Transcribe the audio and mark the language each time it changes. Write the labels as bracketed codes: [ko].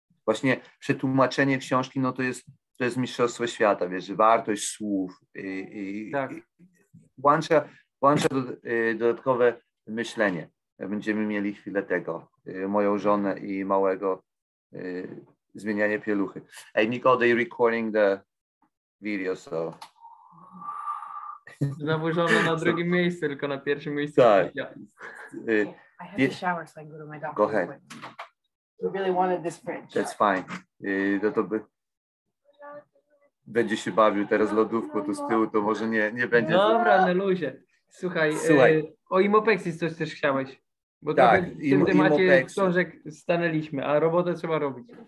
[pl] Właśnie przetłumaczenie książki, no to jest mistrzostwo świata, wiesz, wartość słów. Tak. Włącza dodatkowe myślenie. Będziemy mieli chwilę tego. Moją żonę i małego zmienianie pieluchy. [en] Hey, Nico, they recording the video, so... [pl] Znowu żona na drugim miejscu, tylko na pierwszym miejscu. Tak. [en] I have a shower, so I can go to my doctor. Go ahead. You really wanted this fridge. That's fine. [pl] Będzie się bawił teraz lodówko tu z tyłu, to może nie będzie. Dobra, na luzie. Słuchaj. O Imopexie coś też chciałeś. Bo tak, w tym temacie książek stanęliśmy, a robotę trzeba robić.